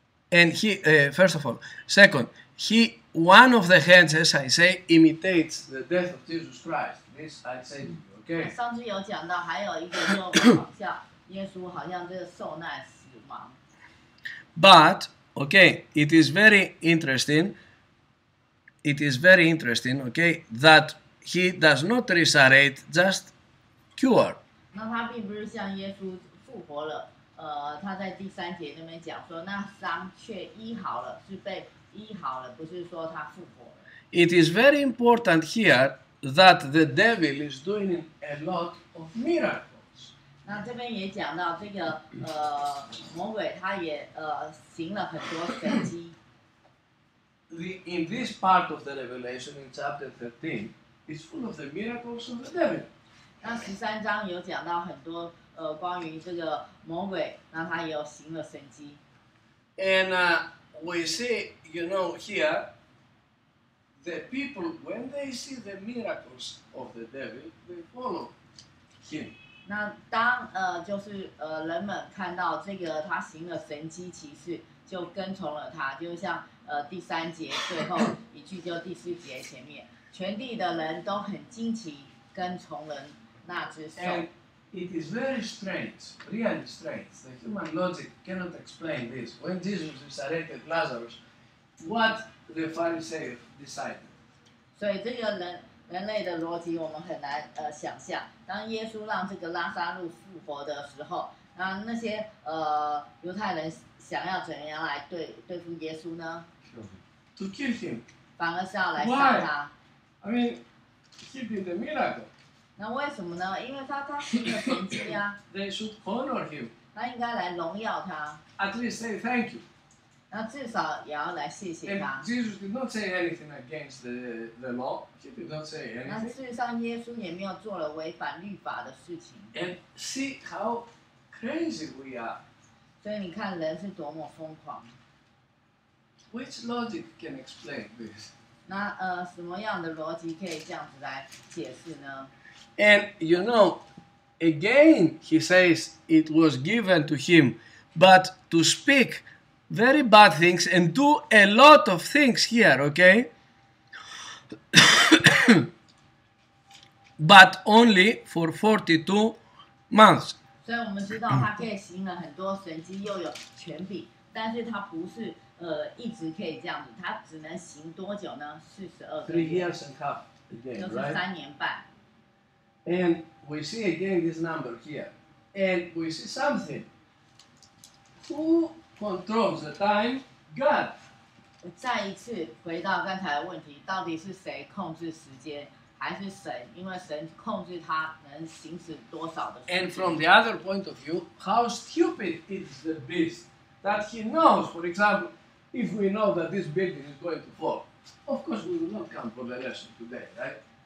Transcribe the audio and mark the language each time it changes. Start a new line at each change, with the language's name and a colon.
English: And he, first of all, second, he, one of the hands, as I say, imitates the death of Jesus Christ. This I say to you, okay?
Chinese: 上次有讲到，还有一个就好像耶稣好像这个受难死亡。
English: But, okay, it is very interesting, okay, that he does not resurrect, just cure.
Chinese: 那他并不是像耶稣复活了。他在第三节那边讲说，那伤却医好了，是被医好了，不是说他复活了。
English: It is very important here that the devil is doing a lot of miracles.
Chinese: 那这边也讲到这个魔鬼他也行了很多神迹。
English: In this part of the Revelation, in chapter 13, it's full of the miracles of the devil.
Chinese: 那十三章有讲到很多。关于这个魔鬼，那他也有行了神迹。
English: And we see, you know, here, the people when they see the miracles of the devil, they follow him.
Chinese: 那当就是人们看到这个他行了神迹奇事，就跟从了他，就像第三节最后一句，就第四节前面，全地的人都很惊奇，跟从人那只手。
English: It is very strange, really strange. The human logic cannot explain this. When Jesus resurrected Lazarus, what the Pharisees decided?
Chinese: 所以这个人类的逻辑我们很难想象。当耶稣让这个拉撒路复活的时候，那些犹太人想要怎样来对付耶稣呢
English: ？To kill him.
Chinese: 反而是要来杀他。
English: Why? I mean, he did a miracle.
Chinese: 那为什么呢？因为他行了神迹啊。
English: They should honor him.
Chinese: 他应该来荣耀他。
English: At least say thank you.
Chinese: 那至少也要来谢谢他。
English: And Jesus did not say anything against the law. He did not say anything.
Chinese: 那事实上，耶稣也没有做了违反律法的事情。
English: And see how crazy we are.
Chinese: 所以你看，人是多么疯狂。
English: Which logic can explain this?
Chinese: 那什么样的逻辑可以这样子来解释呢？
English: And you know, again he says it was given to him, but to speak very bad things and do a lot of things here, okay? but only for 42 months.
Chinese: 所以我们知道他可以行了很多神迹，又有权柄，但是他不是一直可以这样子，他只能行多久呢？ 42个月。
English: 3 years and half again, right?
Chinese: 就是三年半。
English: And we see again this number here, and we see something. Who controls the time? God.
Chinese: 再一次回到刚才的问题，到底是谁控制时间？还是神，因为神控制他能行使多少的。
English: And from the other point of view, how stupid is the beast that he knows? For example, if we know that this building is going to fall, of course we will not come for the lesson today, right?